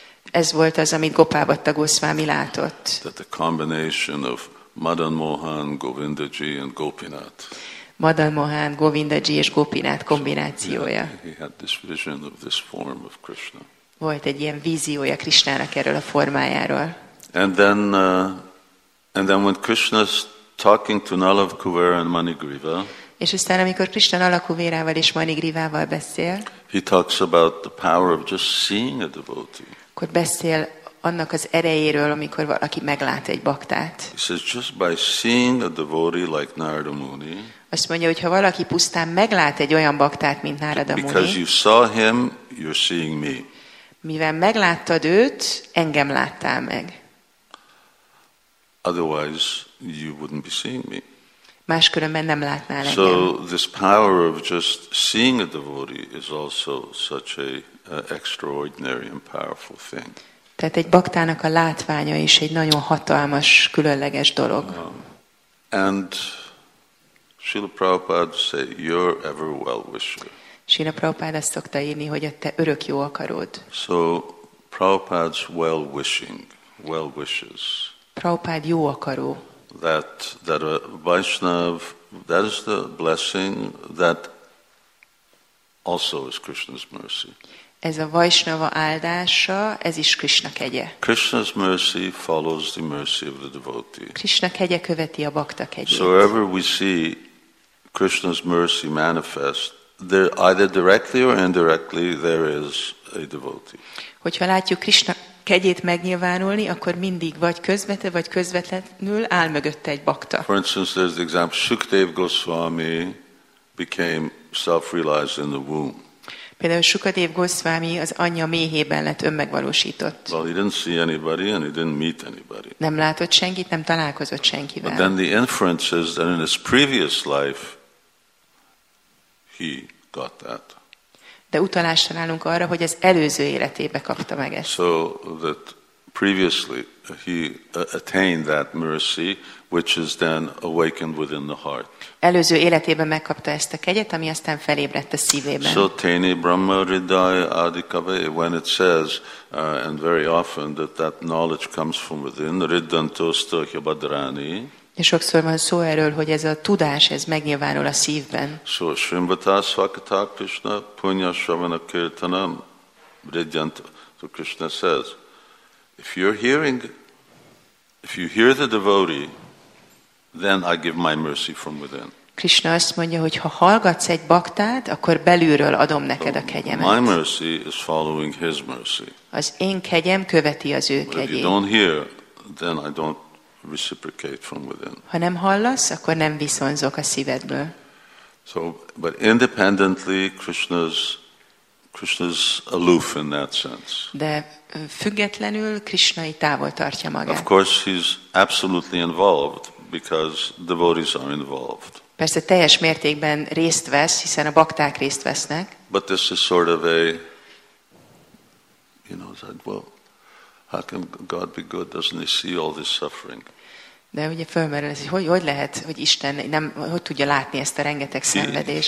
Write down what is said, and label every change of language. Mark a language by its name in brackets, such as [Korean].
[Hungarian] Ez volt az, amit Gopal Bhatta Goswami látott. [English] That the combination of Madan Mohan, Govindaji and Gopinath. [Hungarian] Madan Mohan, Govindaji és Gopinath kombinációja. [English] So he had this vision of this form of Krishna. [Hungarian] Volt egy ilyen víziója Krishnának erről a formájáról. [English] And then when Krishna's talking to Nalavkuvera and Manigriva. [Hungarian] És aztán amikor Krishna Nalavkuvérával és Manigrivával beszél. [English] He talks about the power of just seeing a devotee. [Hungarian] Akkor beszél annak az erejéről, amikor valaki meglát egy baktát. [English] He says just by seeing a devotee like Narada Muni. [Hungarian] Azt mondja, hogy ha valaki pusztán meglát egy olyan baktát, mint Narada Muni. [English] Because you saw him, you're seeing me. [Hungarian] Mivel megláttad őt, engem láttál meg. [English] Otherwise, you wouldn't be seeing me. [Hungarian] Máskülönben nem látnál engem. [English] So this power of just seeing a devotee is also such a extraordinary and powerful thing. [Hungarian] Tehát egy baktának a látványa is egy nagyon hatalmas, különleges dolog. [English] And Srila Prabhupada say, you're ever well-wisher. [Hungarian] Srila Prabhupada azt szokta írni, hogy a te örök jó akarod. [English] So Prabhupada's well-wishing, well-wishes. [Hungarian] Prabhupád jó akaró. [English] That a Vaishnav, that is the blessing that also is Krishna's mercy. [Hungarian] Ez a Vaishnava áldása, ez is Krishna kegye. [English] Krishna's mercy follows the mercy of the devotee. [Hungarian] Krishna kegye követi a bhakta kegyét. [English] So wherever we see Krishna's mercy manifest, there either directly or indirectly there is a devotee. [Hungarian] Hogyha látjuk Krishna kegyét megnyilvánulni, akkor mindig vagy közvetve, vagy közvetlenül áll mögötte egy bakta. [English] For instance, there's the example, Sukdev Goswami became self-realized in the womb. [Hungarian] Például Sukadev Goswami az anyja méhében lett önmegvalósított. [English] Well, he didn't see anybody and he didn't meet anybody. [Hungarian] Nem látott senkit, nem találkozott senkivel. [English] But then the inference is that in his previous life he got that. [Hungarian] De utalást találunk arra, hogy az előző életében kapta meg ezt. [English] So that previously he attained that mercy, which is then awakened within the heart. [Hungarian] Előző életében megkapta ezt a kegyet, ami aztán felébredt a szívében. [English] So [Sanskrit] tene brahma hridaya adikave, [English] when it says, and very often, that that knowledge comes from within, [Sanskrit] riddantosto hyabhadrani. [Hungarian] És sokszor van szó erről, hogy ez a tudás, ez megnyilvánul a szívben. [Sanskrit] So srimbatasvakata krishna punyasravana kirtanam riddantosto. [English] So Krishna says, if you hear the devotee, then I give my mercy from within. [Hungarian] Krishna azt mondja, hogy ha hallgatsz egy baktát, akkor belülről adom neked a kegyemet. [English] My mercy is following his mercy. [Hungarian] Az én kegyem követi az ő kegyét. [English] If you don't hear, then I don't reciprocate from within. [Hungarian] Ha nem hallasz, akkor nem viszonzok a szívedből. [English] So, but independently, Krishna's aloof in that sense. [Hungarian] De függetlenül Krishna-i távol tartja magát. [English] Of course, he's absolutely involved, because devotees are involved. [Hungarian] Persze teljes mértékben részt vesz, hiszen a bakták részt vesznek. [English] But this is sort of a, you know, it's like, well, how can God be good? Doesn't he see all this suffering? [Hungarian] De ugye fölmerül ez, hogy lehet, hogy Isten nem, hogy tudja látni ezt a rengeteg szenvedést?